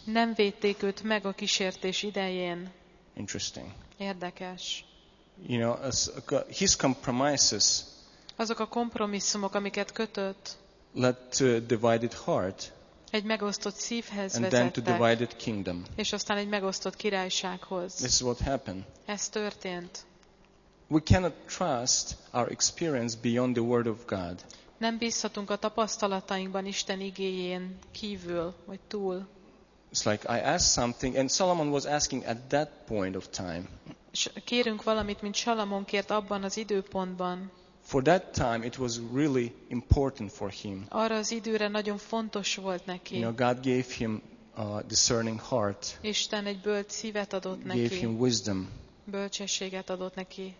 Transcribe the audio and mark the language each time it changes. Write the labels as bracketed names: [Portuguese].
[Hungarian] Nem védték őt meg a kísértés idején. [English] Interesting. [Hungarian] Érdekes. [English] You know, as his compromises. [Hungarian] Azok a kompromisszumok, amiket kötött. [English] Led to a divided heart. [Hungarian] Egy megosztott szívhez vezettek. [English] And then to divided kingdom. [Hungarian] És aztán egy megosztott királysághoz. [English] This is what happened. [Hungarian] Ez történt. [English] We cannot trust our experience beyond the word of God. [Hungarian] Nem bízhatunk a tapasztalatainkban Isten igéjén kívül vagy túl. [English] It's like I asked something and Solomon was asking at that point of time. [Hungarian] Kérünk valamit, mint Salamon kért abban az időpontban. [English] For that time it was really important for him. [Hungarian] Arra az időre nagyon fontos volt neki. [English] You know, God gave him a discerning heart. [Hungarian] Isten egy bölcs szívet adott neki. [English] Gave him wisdom. [Hungarian] Bölcsességet adott neki,